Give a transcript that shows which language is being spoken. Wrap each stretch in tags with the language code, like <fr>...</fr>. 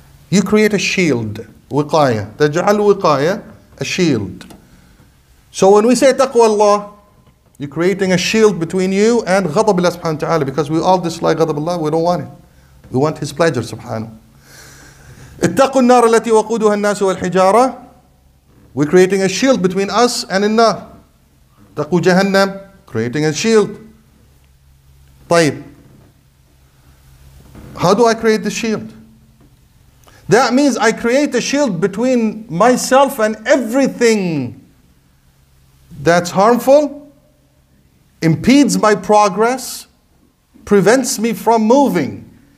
<en>You create a shield, وِقَايَةً. تَجْعَلْ وِقَايَةً, a shield. So when we say تَقْوَى اللَّهُ, you're creating a shield between you and ghadab Allah subhanahu wa ta'ala, because we all dislike ghadab Allah, we don't want it. We want his pleasure, subhanahu.</en> <ar>اتقوا النار التي وقودها الناس والحجارة.</ar> <en>We're creating a shield between us and النار.</en> <ar>اتقوا جهنم,</ar> <en>creating a shield. طيب, how do I create the shield? That means I create a shield between myself and everything that's harmful, impedes my progress, prevents me from moving.</en>